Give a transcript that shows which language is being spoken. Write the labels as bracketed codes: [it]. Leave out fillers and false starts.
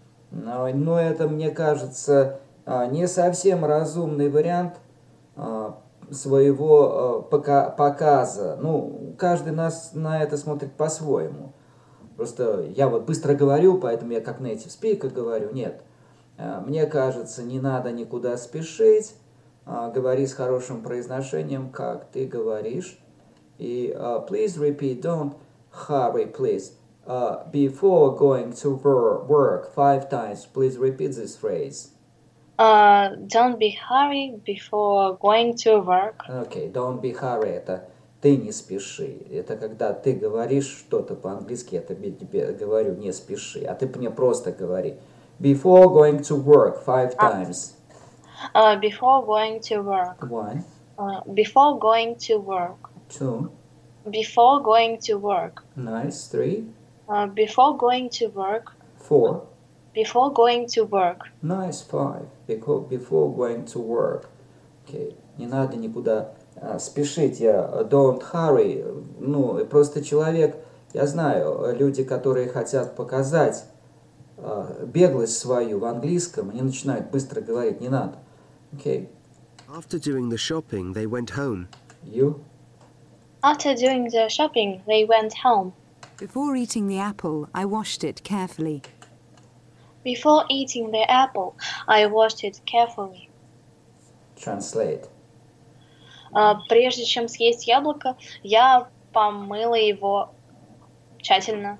[ru] Но это, мне кажется, не совсем разумный вариант своего показа. Ну, каждый нас на это смотрит по-своему. Просто я вот быстро говорю, поэтому я как native speaker говорю. Нет. Мне кажется, не надо никуда спешить, говори с хорошим произношением, как ты говоришь. [en] И please repeat, don't hurry, please. Before going to work, five times, please repeat this phrase. Don't be hurry before going to work. Okay, don't be hurry, [ru] это ты не спеши. Это когда ты говоришь что-то по-английски, я тебе говорю не спеши, а ты мне просто говори. [en] Before going to work, five times. Before going to work. One. Before going to work. Two. Before going to work. Nice. Three. Before going to work. Four. Before going to work. Nice. Five. Before going to work. Okay. [ru] Не надо никуда спешить. Я [en] don't hurry. [ru] Ну, просто человек, я знаю, люди, которые хотят показать беглость свою в английском, они начинают быстро говорить, не надо. [en] Okay. After doing the shopping, they went home. You? After doing the shopping, they went home. Before eating the apple, I washed it carefully. Before eating the apple, I washed it carefully. Translate. [ru] Прежде чем съесть яблоко, я помыла его тщательно.